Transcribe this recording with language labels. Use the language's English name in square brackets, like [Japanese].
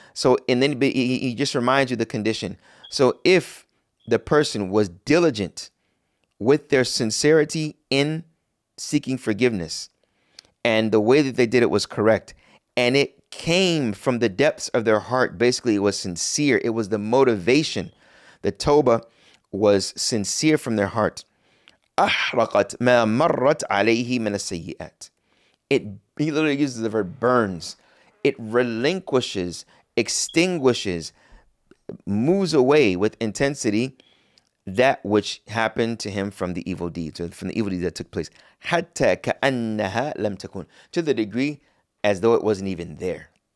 [English] So, and then he just reminds you the condition. So if the person was diligent with their sincerity in seeking forgiveness, and the way that they did it was correct, and it came from the depths of their heart, basically it was sincere, it was the motivation, the tawbah was sincere from their heart. [Arabic] أحرقت ما مرت عليه من السيئات. [English] He literally uses the verb burns. It relinquishes, extinguishes, moves away with intensity that which happened to him from the evil deeds, from the evil deeds that took place. [Arabic] Hatta ka'annaha lam takun, [English] to the degree as though it wasn't even there.